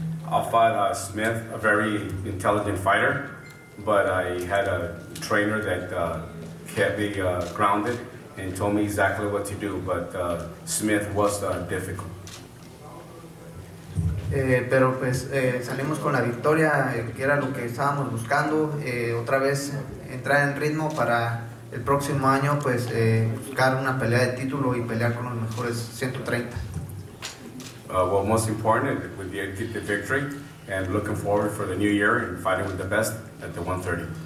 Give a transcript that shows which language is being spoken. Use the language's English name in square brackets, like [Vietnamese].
[English] I fought Smith, a very intelligent fighter, but I had a trainer that kept me grounded and told me exactly what to do, but Smith was difficult. [Spanish] Pero pues salimos con la victoria, que era lo que estábamos buscando, otra vez entrar en ritmo para el próximo año, pues buscar una pelea de título y pelear con los mejores 130. [English] Well, most important would be get the victory and looking forward for the new year and fighting with the best at the 130.